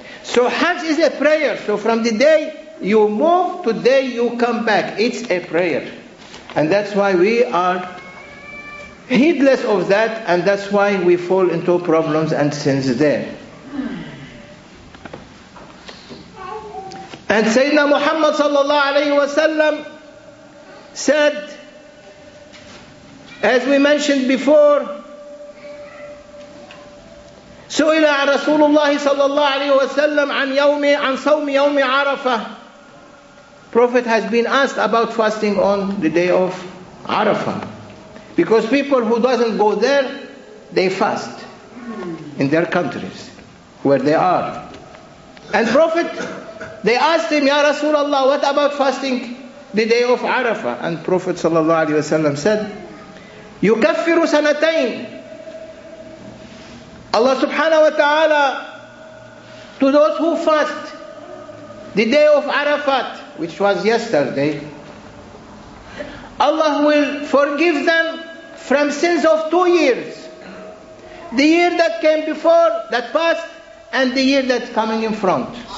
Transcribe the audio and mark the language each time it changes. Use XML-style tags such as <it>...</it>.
<en>So Hajj is a prayer. So from the day you move to the day you come back, it's a prayer. And that's why we are heedless of that, and that's why we fall into problems and sins there. And Sayyidina Muhammad sallallahu alayhi wa sallam said, as we mentioned before,</en> <ar>سئل رسول الله صلى الله عليه وسلم عن يوم عن صوم يوم عرفة.</ar> <en>Prophet has been asked about fasting on the day of Arafah, because people who doesn't go there, they fast in their countries where they are. And Prophet, they asked him,</en> <ar>يا رسول الله,</ar> <en>what about fasting the day of Arafah? And Prophet</en> <ar>صلى الله عليه وسلم</ar> <en>said,</en> <ar>يكفر سنتين.</ar> <en>Allah subhanahu wa ta'ala, to those who fast the day of Arafat, which was yesterday, Allah will forgive them from sins of 2 years. The year that came before, that passed, and the year that's coming in front.</en>